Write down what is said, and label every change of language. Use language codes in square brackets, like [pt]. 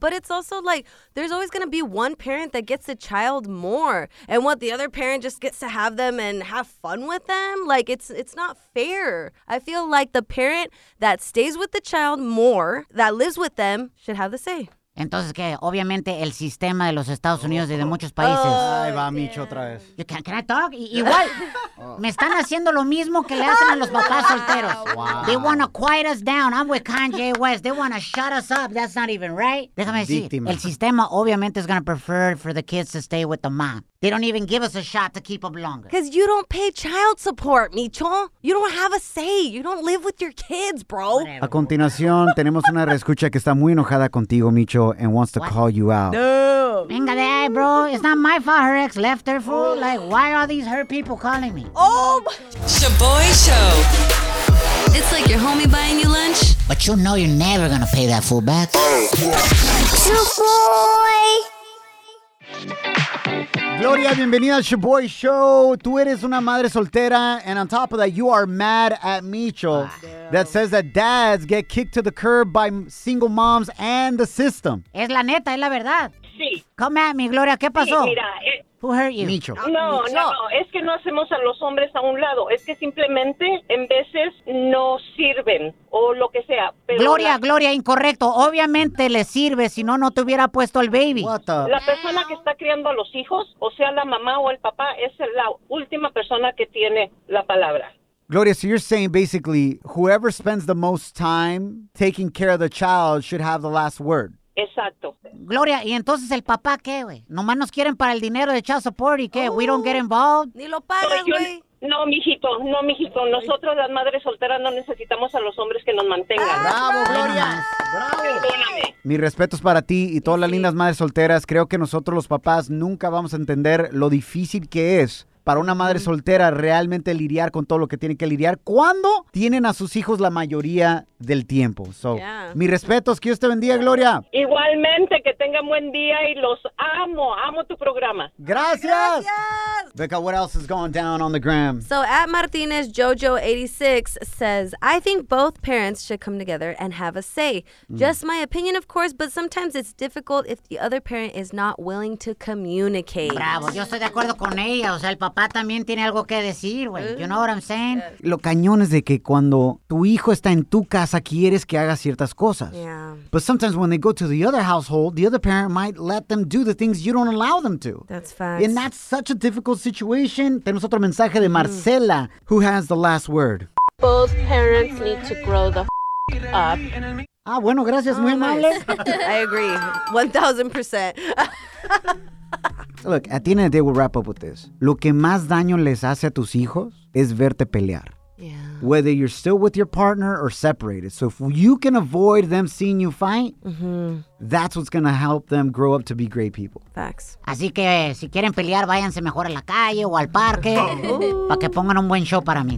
[en] But it's also like, there's always going to be one parent that gets the child more. And what, the other parent just gets to have them and have fun with them? Like, it's not fair. I feel like the parent that stays with the child more, that lives with them, should have the say. [es] Entonces, ¿qué? Obviamente, el sistema de los Estados Unidos y de muchos países. Ay, va, Micho, otra vez. [en] Can I talk? [es] Igual, me están haciendo lo mismo que le hacen a los papás solteros. [en] Wow. They want to quiet us down. I'm with Kanye West. They want to shut us up. That's not even right. [es] Déjame decir, víctima. El sistema obviamente [en] is going to prefer for the kids to stay with the mom. They don't even give us a shot to keep them longer. Because you don't pay child support, Micho. You don't have a say. You don't live with your kids, bro. [es] A continuación, tenemos una reescucha que está muy enojada contigo, Micho. [en] And wants to what? Call you out. No. [es] Venga de ahí, bro. [en] It's not my fault her ex left her, fool. Oh. Like, why are these hurt people calling me? Oh! Shaboy Show. It's like your homie buying you lunch. But you know you're never gonna pay that fool back. Shaboy! [es] Gloria, bienvenida a Shaboy Show. Tú eres una madre soltera, [en] and on top of that, you are mad at Micho that says that dads get kicked to the curb by single moms and the system. [es] Es la neta, es la verdad. Sí. [en] Come at me, Gloria, [es] ¿qué pasó? Sí, mira, [en] who hurt you? Micho. [es] No, es que no hacemos a los hombres a un lado. Es que simplemente en veces no sirven o lo que sea. Pero Gloria, incorrecto. Obviamente le sirve, si no, no te hubiera puesto el baby. La persona que está criando a los hijos, o sea, la mamá o el papá, es la última persona que tiene la palabra. [en] Gloria, so you're saying basically whoever spends the most time taking care of the child should have the last word. [es] Exacto. Gloria, ¿y entonces el papá qué, güey? Nomás nos quieren para el dinero de child support y qué, [en] we don't get involved. [es] Ni lo pagas, güey. No, mijito. Nosotros, las madres solteras, no necesitamos a los hombres que nos mantengan. ¡Bravo, Gloria! ¡Bravo! Mis respetos para ti y todas las lindas madres solteras. Creo que nosotros los papás nunca vamos a entender lo difícil que es para una madre soltera realmente lidiar con todo lo que tiene que lidiar cuando tienen a sus hijos la mayoría del tiempo. [en] So, [es] mis respetos, que Dios te bendiga, Gloria. Igualmente, que tengan buen día y los amo. Amo tu programa. ¡Gracias! ¡Gracias! [en] Becca, what else is going down on the gram? So, at Martinez Jojo 86 says, I think both parents should come together and have a say. Just my opinion, of course, but sometimes it's difficult if the other parent is not willing to communicate. [es] Bravo, yo estoy de acuerdo con ella. O sea, el papá también tiene algo que decir, güey. [en] You know what I'm saying? [es] Lo cañón es de que cuando tu hijo está en tu casa, quieres que haga ciertas cosas. [en] Yeah. But sometimes when they go to the other household, the other parent might let them do the things you don't allow them to. That's fast. And that's such a difficult situation. [es] Tenemos otro mensaje de Marcela, [en] who has the last word. Both parents need to grow the up. [es] Ah, bueno, gracias, muy amable. [en] Nice. I agree, 1,000%. Look, at the end of the day, we'll wrap up with this. [es] Lo que más daño les hace a tus hijos es verte pelear. [en] Yeah. Whether you're still with your partner or separated. So if you can avoid them seeing you fight, that's what's going to help them grow up to be great people. Facts. [es] Así que si quieren pelear, váyanse mejor a la calle o al parque para que pongan un buen show para mí.